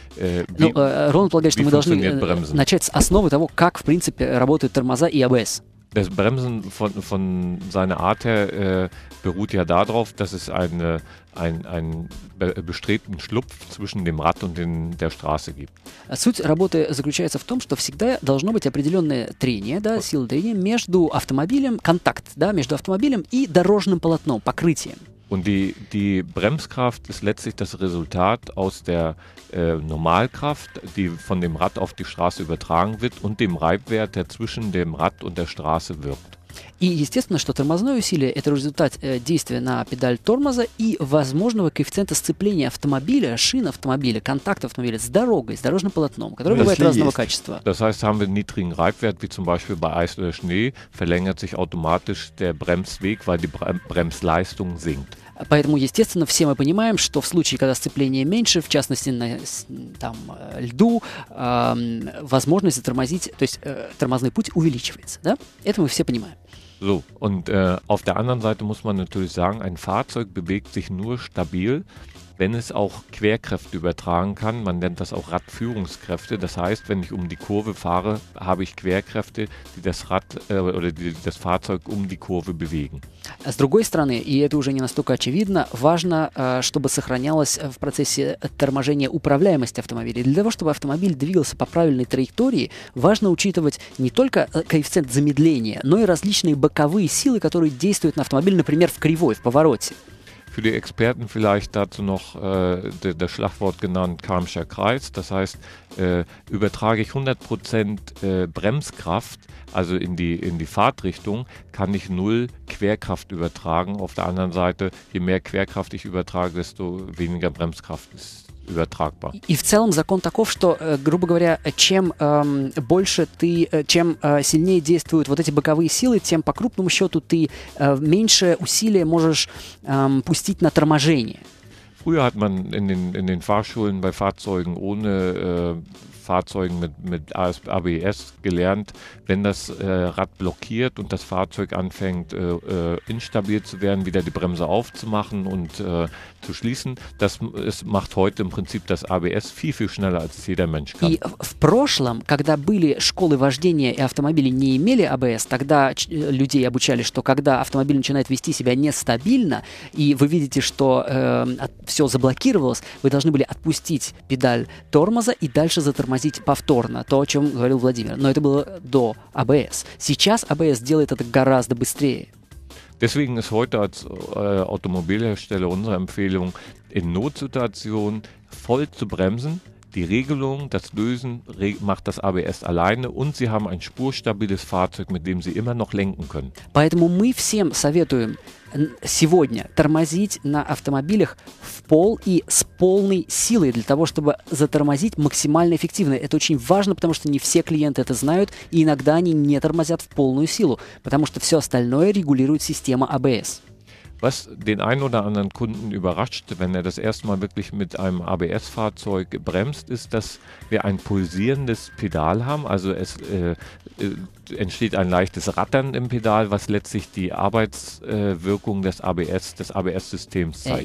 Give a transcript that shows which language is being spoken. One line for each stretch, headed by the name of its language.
German: Wie funktioniert Bremsen? Das Bremsen von seiner Art her beruht ja darauf, dass es einen bestrebten Schlupf zwischen dem Rad und der Straße gibt.
Russian: Суть работы заключается в том, что всегда должно быть определенное трение, да, силы трения между автомобилем, контакт, да, между автомобилем и дорожным полотном, покрытием.
German: Und die Bremskraft ist letztlich das Resultat aus der Normalkraft, die von dem Rad auf die Straße übertragen wird und dem Reibwert, der zwischen dem Rad und der Straße wirkt.
Russian: И естественно, что тормозное усилие – это результат действия на педаль тормоза и возможного коэффициента сцепления автомобиля, шин автомобиля, контакта автомобиля с дорогой, с дорожным полотном, которое бывает разного качества.
German: Das heißt, haben wir niedrigen Reibwert, wie zum Beispiel bei Eis oder Schnee, verlängert sich automatisch der Bremsweg, weil die Bremsleistung sinkt.
Russian: Поэтому, естественно, все мы понимаем, что в случае, когда сцепление меньше, в частности на там, льду, возможность затормозить, то есть тормозной путь увеличивается. Да? Это мы все понимаем.
German: So, und auf der anderen Seite muss man natürlich sagen, ein Fahrzeug bewegt sich nur stabil, wenn es auch Querkräfte übertragen kann. Man nennt das auch Radführungskräfte. Das heißt, wenn ich um die Kurve fahre, habe ich Querkräfte, die das Rad oder die das Fahrzeug um die Kurve bewegen.
Russian: С другой стороны, и это уже не настолько очевидно, важно, чтобы сохранялась в процессе торможения управляемость автомобиля. Для того, чтобы автомобиль двигался по правильной траектории, важно учитывать не только коэффициент замедления, но и различные боковые силы, которые действуют на автомобиль, например, в кривой, в повороте.
German: Für die Experten vielleicht dazu noch das Schlagwort genannt, Karmscher Kreis. Das heißt, übertrage ich 100% Bremskraft, also in die Fahrtrichtung, kann ich null Querkraft übertragen. Auf der anderen Seite, je mehr Querkraft ich übertrage, desto weniger Bremskraft ist.
Russian: И в целом закон таков, что, грубо говоря, чем больше ты, чем сильнее действуют вот эти боковые силы, тем по крупному счету ты меньше усилия можешь пустить на торможение.
German: Früher hat man in den Fahrschulen bei Fahrzeugen ohne Fahrzeugen mit ABS gelernt, wenn das Rad blockiert und das Fahrzeug anfängt instabil zu werden, wieder die Bremse aufzumachen und zu schließen. Das macht heute im Prinzip das ABS viel, viel schneller, als jeder Mensch kann.
Russian: И в прошлом, когда были школы вождения и автомобили не имели ABS, тогда людей обучали, что когда автомобиль начинает вести себя нестабильно, и вы видите, что все заблокировалось, вы должны были отпустить педаль тормоза и дальше затормозить повторно, то, о чем говорил Владимир. Но это было до ABS. Сейчас ABS делает это гораздо быстрее.
German: Deswegen ist heute als Automobilhersteller unsere Empfehlung, in Notsituationen voll zu bremsen. Die Regelung, das Lösen macht das ABS alleine und Sie haben ein spurstabiles Fahrzeug, mit dem Sie immer noch lenken können.
Russian: Поэтому мы всем советуем сегодня тормозить на автомобилях в пол и с полной силой для того, чтобы затормозить максимально эффективно. Это очень важно, потому что не все клиенты это знают, и иногда они не тормозят в полную силу, потому что все остальное регулирует система ABS.
German: Was den einen oder anderen Kunden überrascht, wenn er das erste Mal wirklich mit einem ABS-Fahrzeug bremst, ist, dass wir ein pulsierendes Pedal haben. Also es entsteht ein leichtes Rattern im Pedal, was letztlich die Arbeitswirkung des ABS, des ABS-Systems zeigt.